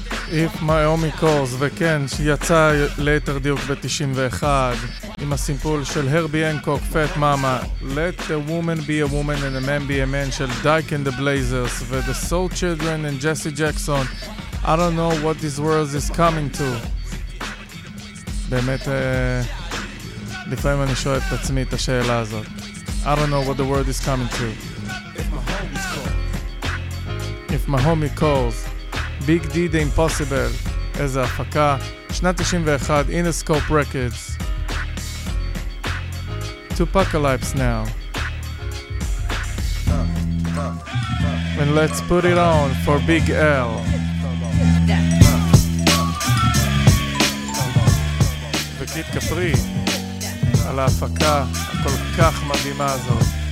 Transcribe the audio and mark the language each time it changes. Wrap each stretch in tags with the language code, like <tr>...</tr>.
<en>If My Homie Calls,</en> <he>וכן, יצא ליתר דיוק ב-91 עם הסימפול של הרבי אנקוק, פט מאמה,</he> <en>Let a Woman Be a Woman and a Man Be a Man של Dyke and the Blazers, ו-The Soul Children and Jesse Jackson, I don't know what this world is coming to.</en> <he>באמת, לפעמים אני שואל את עצמי את השאלה הזאת.</he> <en>I don't know what the world is coming to. If My Homie Calls, Big D The Impossible,</en> <he>איזה הפקה, שנת 91,</he> <en>Interscope Records. Tupacalypse now. And let's put it on for Big L.</en> <he>וקיד קפרי, על ההפקה הכל כך מדהימה הזאת.</he>